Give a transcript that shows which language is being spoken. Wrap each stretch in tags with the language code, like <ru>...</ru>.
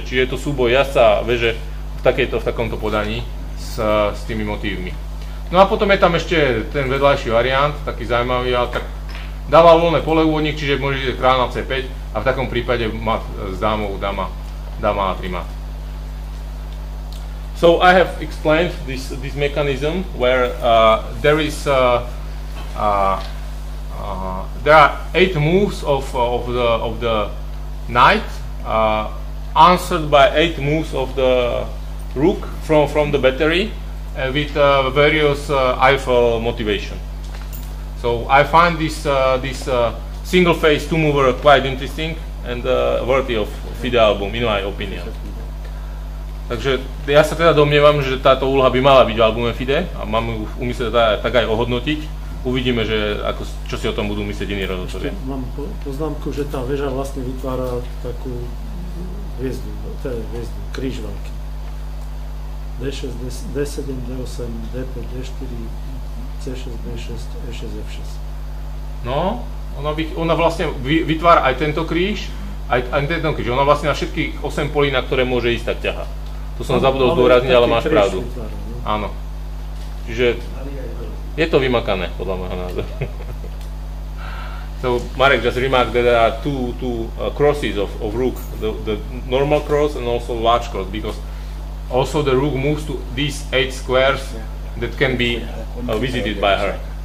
<sk>Čiže je to súboj jazdca a veže v takomto podaní s tými motívmi. No a potom je tam ešte ten vedľajší variant, taký zaujímavý, ale tak dáva voľné pole úvodník, čiže môže ísť kráľ na C5 a v takom prípade mať s dámou dáma na 3 mat.</sk> <en>So I have explained this mechanism where there are 8 moves of the knight answered by 8 moves of the rook from the battery with various Eiffel motivation. So I find this single phase 2 mover quite interesting and worthy of FIDE album in my opinion.</en> <sk>Takže ja sa teda domnievam, že táto úloha by mala byť v albume FIDE a mám ju v úmysle tak aj ohodnotiť. Uvidíme, že čo si o tom budú myslieť iní rozhodcovia. Mám poznámku, že tá väža vlastne vytvára takú hviezdu, kríž veľký. D6, D7, D8, D5, D4, C6, D6, E6, F6. No, ona vlastne vytvára aj tento kríž, aj tento kríž. Ona vlastne na všetkých 8 polí, na ktoré môže ísť, tak ťaha. To som zabudol zdôrazniť, ale máš pravdu. Áno. Čiže je to vymakané, podľa môjho názoru.</sk> <en>So Marek just remarked that there are two crosses of rook, the normal cross and also large cross, because also the rook moves to these eight squares that can be visited by her.</en>